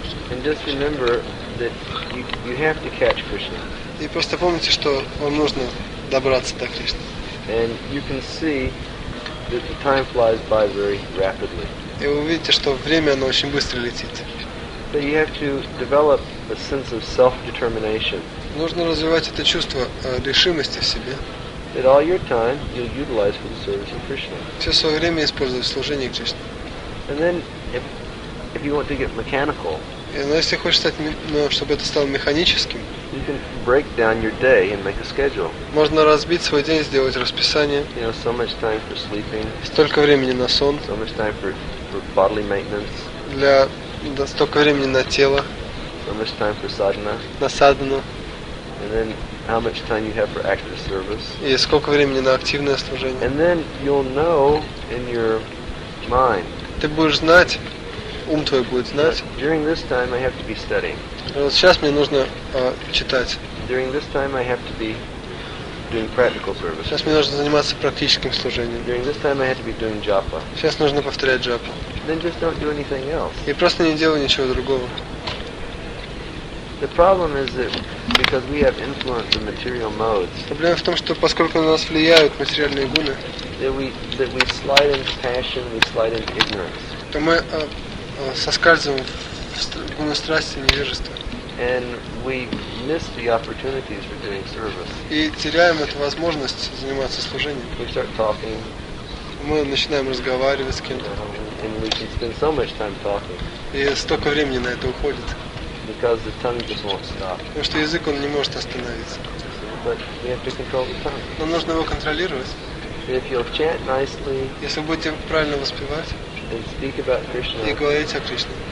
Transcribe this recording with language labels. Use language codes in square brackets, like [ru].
[en] And just remember that you have to catch Krishna. [ru] И просто помните, что вам нужно добраться до Кришны. [en] And you can see the time flies by very rapidly. [ru] И вы увидите, что время, оно очень быстро летит. [en] But you have to develop a sense of self-determination. [ru] Нужно развивать это чувство решимости в себе. [en] That all your time you'll utilize for the service of Krishna. [ru] Все свое время используй в служении Кришне. [en] And then, if you want to get mechanical. [ru] И, ну, если хочешь стать, ну, чтобы это стало механическим. [en] You can break down your day and make a schedule. [ru] Можно разбить свой день, сделать расписание. [en] You know, so much time for sleeping. [ru] Столько времени на сон. [en] So much time for bodily maintenance. [ru] Для столько времени на тело. [en] So much time for sadhana. [ru] На садхану. [en] And then how much time you have for active service. [ru] И сколько времени на активное служение. [en] And then you'll know in your mind. [ru] Ты будешь знать, ум твой будет знать. [en] But during this time I have to be studying. [ru] Вот сейчас мне нужно читать. [en] During this time I have to be doing practical service. [ru] Сейчас мне нужно заниматься практическим служением. [en] During this time I have to be doing japa. [ru] Сейчас нужно повторять джапу. [en] Then just don't do anything else. [ru] И просто не делай ничего другого. [en] The problem is that because we have influence in material modes. [ru] Проблема в том, что поскольку на нас влияют материальные гуны, [en] that we slide into passion, we slide into ignorance. [ru] То мы соскальзываем гуны страсти, невежества. [en] And we miss the opportunities for doing service. [ru] И теряем эту возможность заниматься служением. [en] We start talking. [ru] Мы начинаем разговаривать с кем-то. [en] And we can spend so much time talking. [ru] И столько времени на это уходит. [en] Because the tongue just won't stop. [ru] Потому что язык он не может остановиться. [en] But we have to control the tongue. [ru] Но нужно его контролировать. [en] If you'll chant nicely. [ru] Если будете правильно воспевать. [en] And speak about Krishna. [ru] И говорить о Кришне.